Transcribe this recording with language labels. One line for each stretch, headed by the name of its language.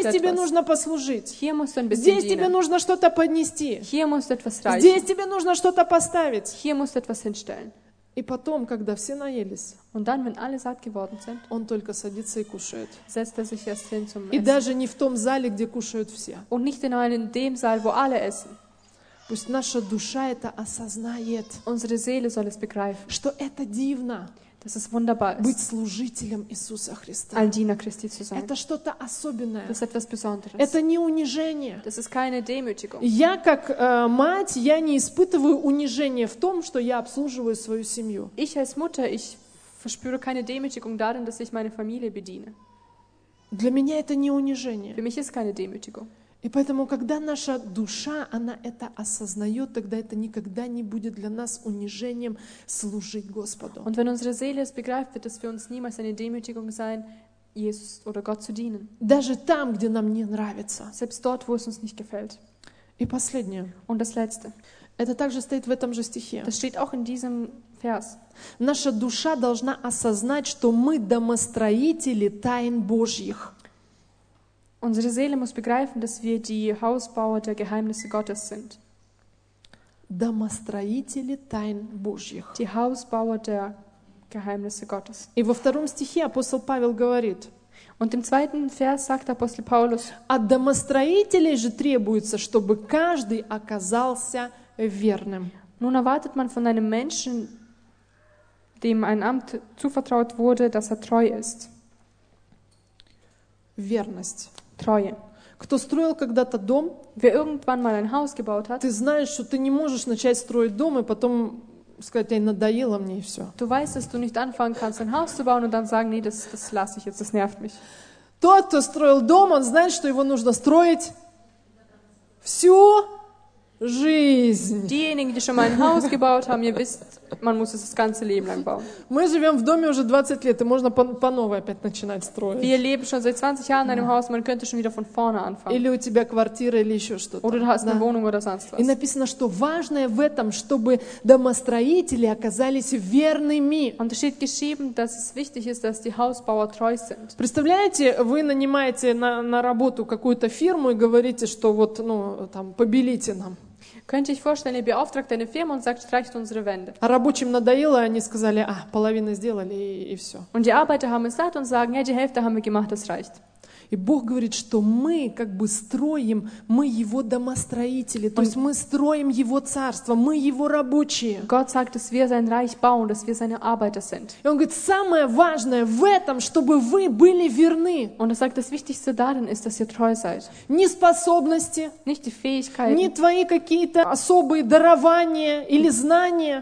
German: etwas.
Russian: Здесь тебе нужно послужить.
German: Hier musst du ein bisschen dienen.
Russian: Здесь тебе нужно что-то поднести.
German: Hier musst du etwas reichen.
Russian: Здесь тебе нужно что-то поставить.
German: Hier musst du etwas hinstellen.
Russian: И потом, когда все наелись,
German: und dann, wenn alle satt geworden sind,
Russian: он только садится и кушает.
German: Setzt er sich erst hin zum Essen.
Russian: И даже не в том зале, где кушают все.
German: Und nicht in dem Saal, wo alle essen.
Russian: Пусть наша душа это осознает,
German: unsere Seele soll es begreifen,
Russian: что это дивно,
German: dass es wunderbar ist,
Russian: быть служителем Иисуса Христа,
German: ein Diener Christi zu sein.
Russian: Это что-то особенное,
German: das ist etwas Besonderes.
Russian: Это не унижение,
German: das ist keine Demütigung.
Russian: Я как мать, я не испытываю унижения в том, что я обслуживаю свою семью.
German: Ich als Mutter, ich verspüre keine Demütigung darin, dass ich meine Familie bediene.
Russian: Для меня это не унижение.
German: Für mich ist keine Demütigung.
Russian: И поэтому, когда наша душа, она это осознает, тогда это никогда не будет для нас унижением служить Господу.
German: Und wenn unsere Seele es begreift, wird es für uns niemals eine Demütigung sein, Jesus oder Gott zu dienen.
Russian: Даже там, где нам не нравится.
German: Selbst dort, wo es uns nicht gefällt.
Russian: И последнее.
German: Und das Letzte.
Russian: Это также стоит в этом же стихе.
German: Das steht auch in diesem Vers.
Russian: Наша душа должна осознать, что мы домостроители тайн Божьих.
German: Unsere Seele muss begreifen, dass wir die Hausbauer der Geheimnisse Gottes sind.
Russian: Домостроители тайн Божьих.
German: Die Hausbauer der Geheimnisse Gottes.
Russian: И во втором стихе апостол Павел говорит.
German: Und im zweiten Vers sagt Apostel Paulus.
Russian: От домостроителей же требуется, чтобы каждый оказался верным.
German: Nun erwartet man von einem Menschen, dem ein Amt zuvertraut wurde, dass er treu ist.
Russian: Верность.
German: Treue.
Russian: Кто строил когда-то дом?
German: Wer irgendwann mal ein Haus gebaut hat?
Russian: Ты знаешь, что ты не можешь начать строить дом и потом сказать, ей надоело мне и все.
German: Du weißt, dass du nicht anfangen kannst, ein Haus zu bauen und dann sagen, nee, das lasse ich jetzt, das nervt mich.
Russian: Тот, кто строил дом, он знает, что его нужно строить всю жизнь.
German: Diejenigen, die schon mal ein Haus gebaut haben, ihr wisst, man muss es das ganze Leben lang bauen.
Russian: Мы живем в доме уже 20 лет, и можно по новой опять начинать строить.
German: Wir leben schon seit 20 Jahren in einem Haus, man könnte schon wieder von vorne anfangen.
Russian: Или у тебя квартира, или еще что-то.
German: Oder du hast eine Wohnung oder sonst was.
Russian: И написано, что важное в этом, чтобы домостроители оказались верными.
German: Und es steht geschrieben, dass es wichtig ist, dass die Hausbauer treu sind.
Russian: Представляете, вы нанимаете на работу какую-то фирму и говорите, что вот, ну, там, побелите нам.
German: Könnte ich vorstellen, ihr beauftragt eine Firma und sagt, streicht unsere Wände.
Russian: А рабочим надоело, они сказали, а, половину сделали, и все.
German: Und die Arbeiter haben es satt und sagen, ja, die Hälfte haben wir gemacht, das reicht.
Russian: И Бог говорит, что мы как бы строим, мы его домостроители, то есть мы строим его царство, мы его рабочие.
German: Gott sagt, dass wir sein Reich bauen, dass wir seine Arbeiter sind.
Russian: И он говорит, самое важное в этом, чтобы вы были верны.
German: Und er sagt, das Wichtigste darin ist, dass ihr treu seid.
Russian: Ни способности,
German: nicht die Fähigkeiten,
Russian: ни твои какие-то особые дарования или знания,